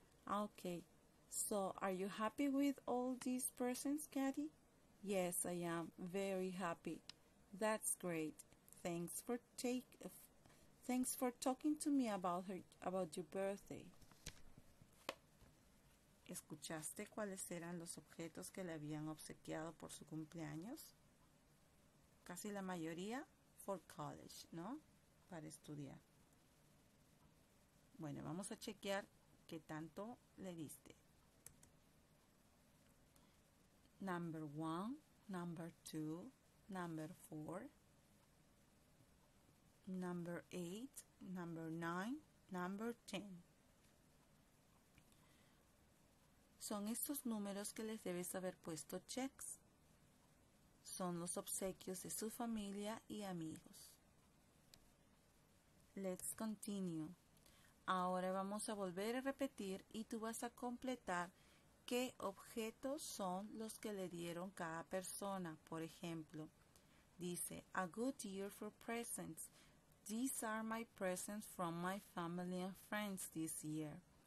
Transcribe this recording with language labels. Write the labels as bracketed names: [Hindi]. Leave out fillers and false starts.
[English] Okay, so are you happy with all these presents, Katy? Yes, I am very happy. That's great. Thanks for talking to me about your birthday. [Spanish] ¿Escuchaste cuáles eran los objetos que le habían obsequiado por su cumpleaños? Casi la mayoría [English] for college, [Spanish] ¿no? Para estudiar. Bueno, vamos a chequear qué tanto le diste. [English] Number one, number two, number four, number eight, number nine, number ten. [Spanish] Son estos números que les debes haber puesto checks. Son los obsequios de su familia y amigos. [English] Let's continue. [Spanish] Ahora vamos a volver a repetir y tú vas a completar qué objetos son los que le dieron cada persona. Por ejemplo, dice, [English] a good year for presents. These are my presents from my family and friends this year.